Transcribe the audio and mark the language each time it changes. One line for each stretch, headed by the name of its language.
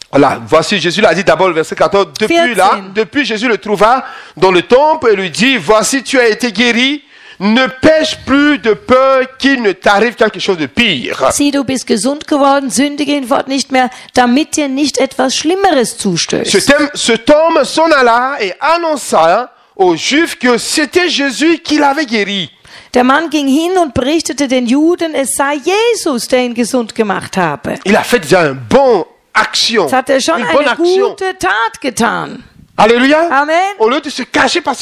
French: Voilà, voici Jésus l'a dit d'abord le verset 14. Depuis Jésus le trouva dans le temple et lui dit, voici tu as été guéri, ne pêche plus de peur qu'il ne t'arrive quelque chose de pire.
German: Si du bist gesund geworden, sündige ihn fort nicht mehr, damit dir nicht etwas Schlimmeres zustößt.
French: Cet homme s'en alla et annonça aux Juifs que c'était Jésus qui l'avait guéri.
German: Der Mann ging hin und berichtete den Juden, es sei Jesus, der ihn gesund gemacht habe.
French: Il a fait déjà un bon action.
German: Das hat er schon
French: une
German: eine gute Tat getan. Alleluia. Amen.
French: Au lieu de se cacher, parce